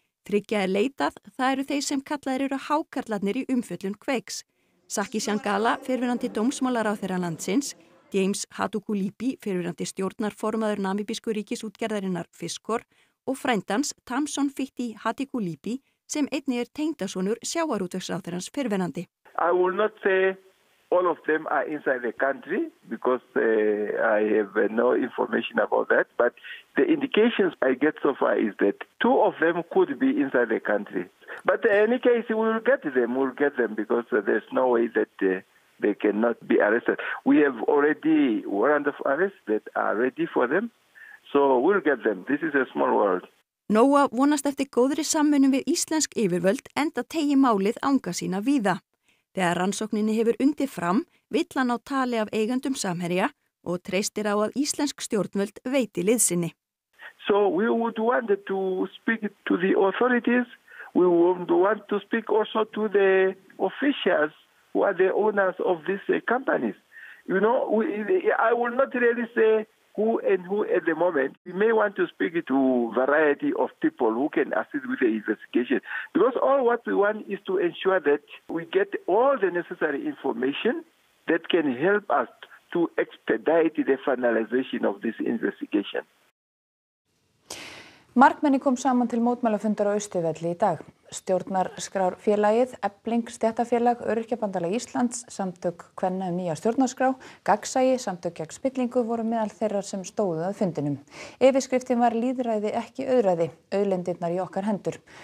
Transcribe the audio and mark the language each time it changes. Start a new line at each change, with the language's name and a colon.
Icelandic: Þriggja leitað, það eru þeir sem kallaðir eru hákarlarnir í umfjöllun Kveiks. Saki Sjangala, fyrirverandi dómsmálaráðherra landsins, James Hadukulipi, fyrirverandi stjórnarformaður namibísku ríkisútgerðarinnar Fiskor, og frændans Tamson Fitti Hadukulipi, sem einnig tengdasonur sjávarútvegsráðherrans fyrirverandi.
English: I will not say all of them are inside the country because I have no information about that, but the indications I get so far is that 2 of them could be inside the country. But in any case, we'll get them because there's no way that they cannot be arrested. We have already warrant of arrest that are ready for them, so we'll get them. This is a small world.
Icelandic: Nóa vonast eftir góðri samvinnu við íslensk yfirvöld enda tegi málið anga sína víða. Þegar rannsókninni hefur undið fram, vill hann á tali af eigendum Samherja og treystir á að íslensk stjórnvöld veiti liðsinni.
English: So we would want to speak to the authorities. We would want to speak also to the officials who are the owners of these companies. You know, I will not really say who and who at the moment. We may want to speak to a variety of people who can assist with the investigation. Because all what we want is to ensure that we get all the necessary information that can help us to expedite the finalization of this investigation.
Icelandic: Margmenni kom saman til mótmælafundar á Austurvelli í dag. Stjórnarskrár félagið, Efling, Stéttafélag, Öryrkjabandalag Íslands, samtök kvenna nýja stjórnarskrá, Gagnsæi, samtök gegn spillingu voru meðal þeirra sem stóðu að fundinum. Yfirskriftin var lýðræði ekki auðræði, auðlindirnar í okkar hendur.